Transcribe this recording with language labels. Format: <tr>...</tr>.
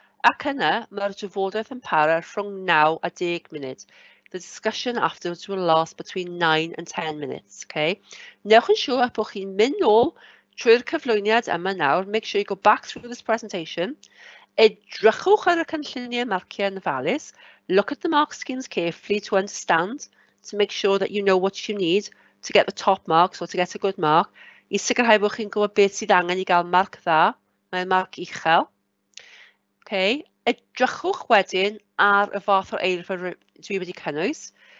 <cy>Ac yna, mae'r trafodaeth yn para rhwng 9 a 10 munud.</cy> <en>The discussion afterwards will last between 9 and 10 minutes. Okay?</en> <cy>Newch yn siŵr bod chi'n mynd nôl trwy'r cyflwyniad yma nawr.</cy> <en>Make sure you go back through this presentation.</en> <cy>Edrychwch ar y cynlluniau marciau yn ofalus.</cy> <en>Look at the mark schemes carefully to understand, to make sure that you know what you need to get the top marks or to get a good mark.</en> <cy>I sicrhau bod chi'n gwybod beth sydd angen i gael marc dda. Mae'n marc uchel. Okay, edrychwch wedyn ar y fath o eirfa dwi wedi cynnwys.</cy>